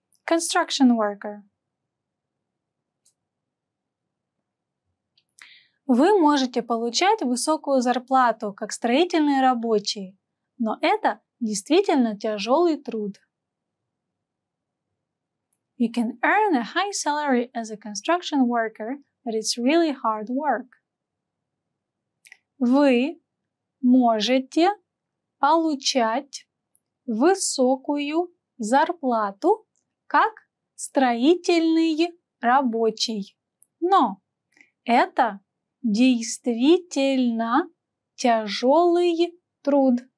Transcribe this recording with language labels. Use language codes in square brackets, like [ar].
[en] Construction worker. [ru] Вы можете получать высокую зарплату, как строительный рабочий, но это действительно тяжелый труд. [en] You can earn a high salary as a construction worker, but it's really hard work. [ru] Вы можете получать высокую зарплату, как строительный рабочий, но это действительно тяжелый труд.